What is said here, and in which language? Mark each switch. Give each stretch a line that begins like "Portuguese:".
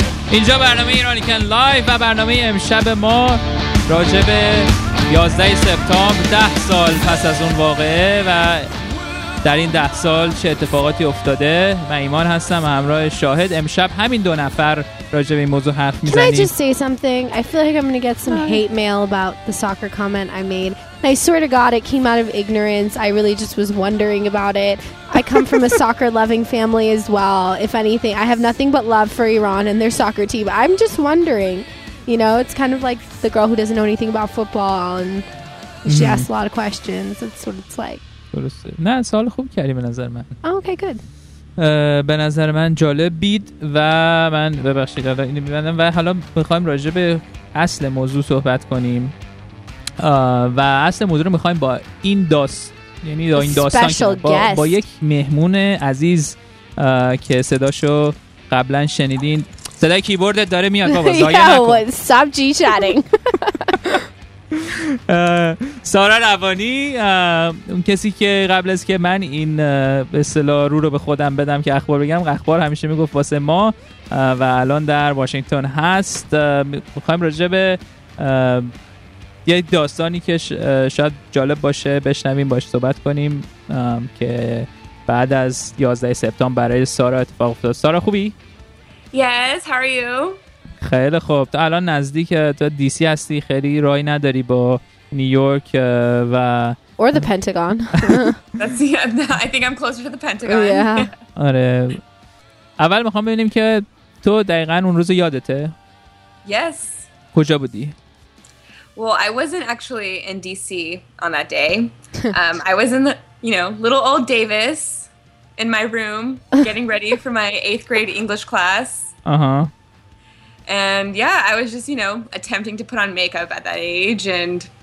Persian: اینجا برنامه ایرانیکن لایف و برنامه امشب ما راجع به 11 سپتامبر 10 سال پس از اون واقعه و در این 10 سال چه اتفاقاتی افتاده. من ایمان هستم همراه شاهد. امشب همین دو نفر راجع به این موضوع حرف میزنیم.
English: Can I just say something? I feel like I'm going to get some hate mail about the soccer comment I made. And I swear to God it came out of ignorance. I really just was wondering about it. I come from a soccer loving family as well. If anything, I have nothing but love for Iran and their soccer team. I'm just wondering. You know, it's kind of like the girl who doesn't know anything about football and she asks a lot of questions. That's what it's like.
Persian: درسته. نه سوال خوب کردی به نظر من.
English: Okay good.
Persian: به نظر من جالب بید و من ببخشید الان اینو می‌بندم و حالا می‌خوایم راجع به اصل موضوع صحبت کنیم. و اصل موضوع رو می‌خوایم با این داستان یعنی این داستان با یک مهمون عزیز که صداشو قبلا شنیدین. صدای کیبوردت داره میاد بابا زایه نکن.
English: Stop G-chatting.
Persian: سارا روانی، اون کسی که قبل از که من این به اصطلاح رو به خودم بدم که اخبار بگم، اخبار همیشه میگفت واسه ما و الان در واشنگتن هست. میخوایم راجع به یک داستانی که شاید جالب باشه بشنویم، باش صحبت کنیم که بعد از 11 سپتامبر برای سارا اتفاق افتاد. سارا خوبی؟
English: Yes, how are you?
Persian: خیلی خوب. تو الان نزدیک تو دی سی هستی، خیلی راهی نداری با نیویورک و
English: or the Pentagon. That's I think I'm closer to the Pentagon. Yeah.
Persian: آره. اول میخوام ببینیم که تو دقیقاً اون روز یادته؟
English: Yes.
Persian: کجا بودی؟
English: Well, I wasn't actually in DC on that day. I was in the, you know, little old Davis in my room getting ready for my 8th grade English class. Uh-huh. And yeah, I was just, you know, attempting to put on makeup at that age and